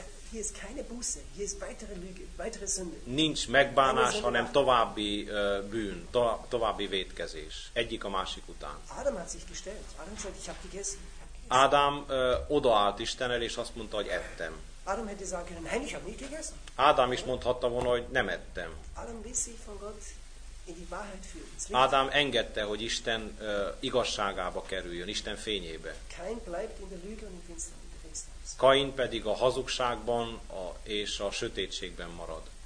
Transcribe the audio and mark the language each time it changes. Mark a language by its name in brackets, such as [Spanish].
[German] Hier ist keine Buße, hier ist weitere Lüge, weitere Sünde. [Hungarian] Nincs megbánás, hanem további bűn, további vétkezés. Egyik a másik után. [German] Adam hat sich gestellt. Adam sagt, ich habe gegessen. [Hungarian] Adam odaállt Istennel, és azt mondta, hogy ettem. [German] Adam hätte sagen können, nein, ich habe nicht gegessen. [Hungarian] Adam is mondhatta volna, hogy nem ettem. [German] Adam ließ sich von Gott in die Wahrheit führen. [Hungarian] Adam engedte, hogy Isten igazságába kerüljön, Isten fényébe. [German] Kein bleibt in der Lüge und im Finstern. [Hungarian] Kain pedig a hazugságban és a sötétségben marad.